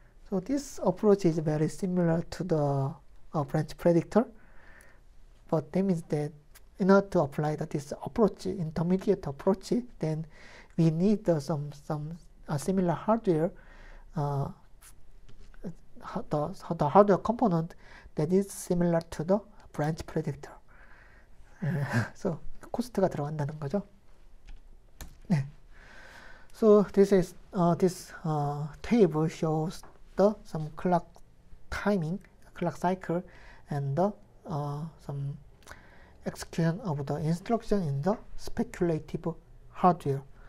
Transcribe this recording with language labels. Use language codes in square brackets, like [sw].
[en] So this approach is very similar to the branch predictor, but that means that in order to apply that this approach, intermediate approach, then we need some similar hardware, the hardware component that is similar to the branch predictor. [ko] So 코스트가 들어간다는 거죠. 네. [en] So this is this table shows the some clock timing, clock cycle, and the some execution of the instruction in the speculative hardware.